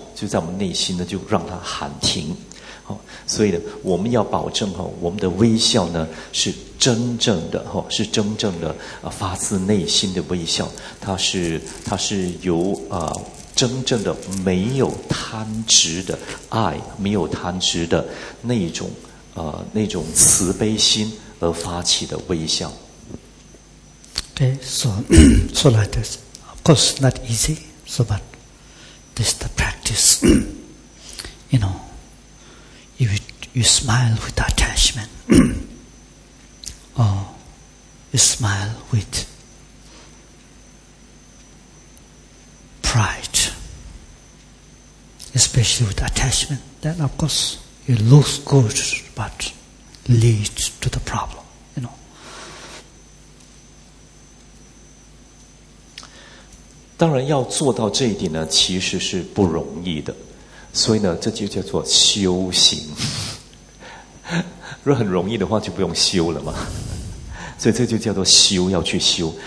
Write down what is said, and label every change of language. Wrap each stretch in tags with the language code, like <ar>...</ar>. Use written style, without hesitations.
<zh>就在我们内心呢，就让它喊停，所以呢，我们要保证我们的微笑呢是真正的是真正的发自内心的微笑，它是由真正的没有贪执的爱，没有贪执的那种慈悲心而发起的微笑。</zh> <en>Okay, so like this, of course not easy, so but this is the practice. You know, if you smile with attachment, or you smile with pride, especially with attachment, then of course it looks good, but leads to the problem.</en> <zh>当然要做到这一点呢，其实是不容易的，所以呢，这就叫做修行。如果很容易的话，就不用修了嘛。所以这就叫做修，要去修。</zh>